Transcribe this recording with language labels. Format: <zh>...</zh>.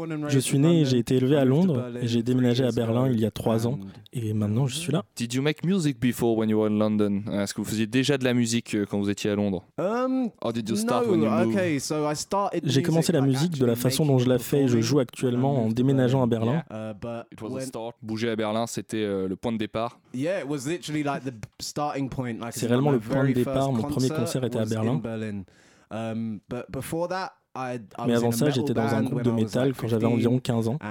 <fr>Je suis né et j'ai été élevé à Londres. Et j'ai déménagé à Berlin il y a 3 ans. Et maintenant, je suis là.</fr> <en>Did you make music before when you were in London?</en> <fr>Est-ce que vous faisiez déjà de la musique quand vous étiez à Londres?</fr> <en>Or did you start when you moved? Okay, so I started.</en> <fr>J'ai commencé la musique de la façon dont je la fais et je joue actuellement en déménageant à Berlin.</fr> <en>It was a start.</en> <fr>Bouger à Berlin, c'était le point de départ.</fr> <en>Yeah, it was literally like the starting point.</en> <fr>C'est vraiment le point de départ. Mon premier concert était à Berlin.</fr> <en>But before that,</en> <fr>Mais avant ça, j'étais dans un groupe de métal quand j'avais environ 15 ans.</fr>